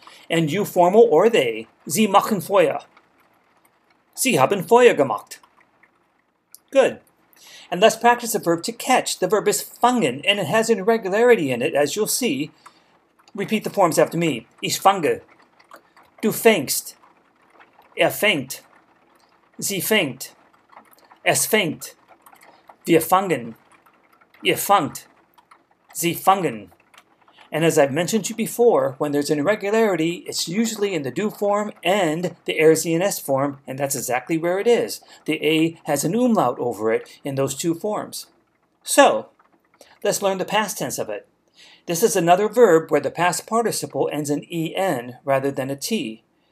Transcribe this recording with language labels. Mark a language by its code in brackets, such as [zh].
[en] And you formal or they. [de] Sie machen Feuer. Sie haben Feuer gemacht. [en] Good. And let's practice the verb to catch. The verb is fangen and it has an irregularity in it, as you'll see. Repeat the forms after me. [de] Ich fange. Du fängst, fängt, sie fängt, es fängt, wir fangen, ihr fangt, sie fangen. [en] And as I've mentioned to you before, when there's an irregularity, it's usually in the do form and the RZ and S form, and that's exactly where it is. The A has an umlaut over it in those two forms. So, let's learn the past tense of it. This is another verb where the past participle ends in en rather than a t.